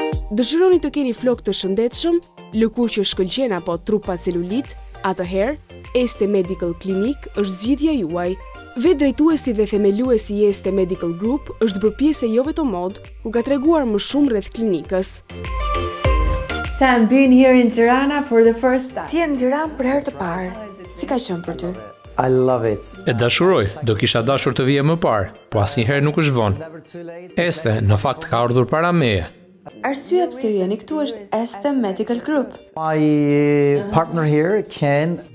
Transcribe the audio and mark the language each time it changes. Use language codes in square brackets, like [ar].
[sq] Dëshironi të keni flokë të shëndetshëm, lëkur që shkëlqen apo trupa celulit, atëherë, Este Medical Clinic është zgjidhja juaj. Vetë drejtuesi dhe themeluesi i Este Medical Group është bërë pjesë e jo vetëm mod, ku ka treguar më shumë rreth klinikës. [en] Sam, being here in Tirana for the first time. [sq] Ti je në Tiranë për herë të parë. Si ka qenë për ty? [en] I love it. [sq] E dashuroj, do kisha dashur të vije më parë, po asnjëherë nuk është vonë. Este, në fakt, ka ardhur para meje. Arsye pse jeni këtu është Este Medical Group. [en] My partner here, Ken.